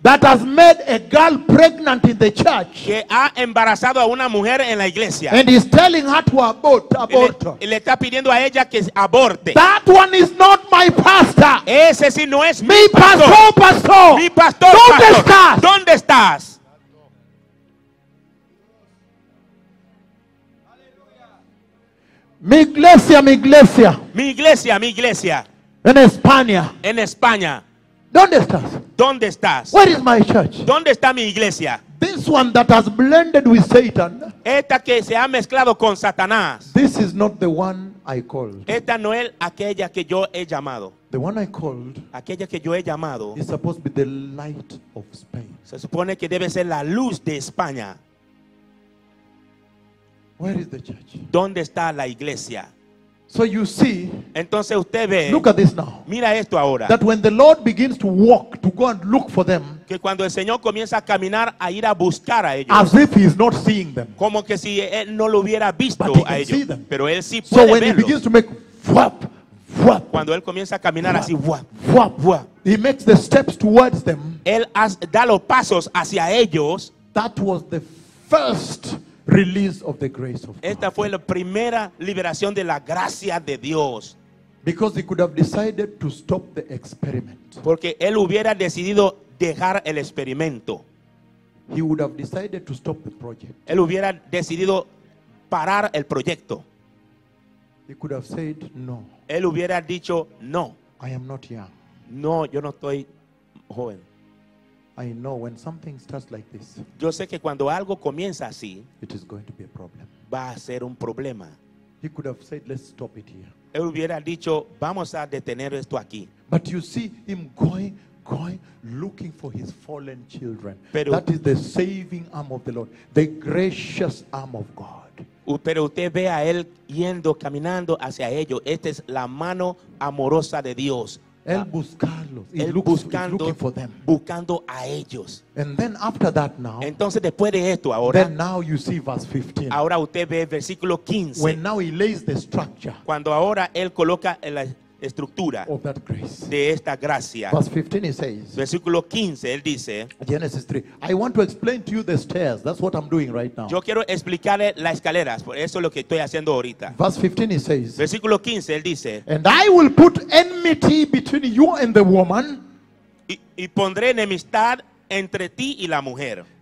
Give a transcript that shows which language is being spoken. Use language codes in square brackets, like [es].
[en] That has made a girl pregnant in the church. [es] Que ha embarazado a una mujer en la iglesia. [en] And is telling her to abort. Abort. [es] Le está pidiendo a ella que aborte. [en] That one is not my pastor. [es] Ese sí no es mi pastor. Mi pastor, pastor. Mi pastor, ¿dónde pastor? Estás? ¿Dónde estás? Mi iglesia, mi iglesia. Mi iglesia, mi iglesia. En España. En España. ¿Dónde estás? ¿Dónde estás? [en] Where is my church? [es] ¿Dónde está mi iglesia? [en] This one that has blended with Satan. [es] Esta que se ha mezclado con Satanás. [en] This is not the one I called. [es] Esta no es aquella que yo he llamado. [en] The one I called. [es] Aquella que yo he llamado. [en] Is supposed to be the light of Spain. [es] Se supone que debe ser la luz de España. [en] Where is the church? [es] ¿Dónde está la iglesia? [en] So you see, [es] entonces usted ve, [en] look at this now. [es] Mira esto ahora. [en] That when the Lord begins to walk to go and look for them, [es] que cuando el Señor comienza a caminar a ir a buscar a ellos, [en] as if he is not seeing them, [es] como que si él no lo hubiera visto, [en] but he [es] a [en] can [es] ellos, [en] see them. [es] Pero él sí puede verlo. [en] So when [es] verlo, [en] he begins to make whap, whap, [es] cuando él comienza a caminar whap, así whap, [en] whap, whap, he makes the steps towards them. [es] Él da los pasos hacia ellos. [en] That was the first release of the grace of God. [es] Esta fue la primera liberación de la gracia de Dios. [en] Because he could have decided to stop the experiment. [es] Porque él hubiera decidido dejar el experimento. [en] He would have decided to stop the project. [es] Él hubiera decidido parar el proyecto. [en] He could have said no. [es] Él hubiera dicho no. [en] I am not young. [es] No, yo no estoy joven. [en] I know when something starts like this. [es] Yo sé que cuando algo comienza así, [en] it is going to be a problem. [es] Va a ser un problema. [en] He could have said, "Let's stop it here." [es] Él hubiera dicho, "Vamos a detener esto aquí." [en] But you see him going looking for his fallen children. That is the saving arm of the Lord, the gracious arm of God. [es] Pero usted ve a él yendo, caminando hacia ellos. Esta es la mano amorosa de Dios. Él buscarlos, él [en] looks, [es] buscando, [en] looking for them, [es] buscando a ellos. [en] And then after that now, [es] entonces después de esto ahora, [en] then now you see verse 15. [es] Ahora usted ve versículo 15. [en] When now he lays the structure, [es] cuando ahora él coloca la estructura [en] of that grace, [es] de esta gracia. [en] Verse 15 he says, [es] versículo 15 él dice, [en] Genesis 3. I want to explain to you the stairs. That's what I'm doing right now. [es] Yo quiero explicarle las escaleras, por eso es lo que estoy haciendo ahorita. [en] Verse 15 he says, [es] versículo 15 él dice, [en] and I will put enmity between you and the woman, [es] y pondré enemistad entre ti y la mujer,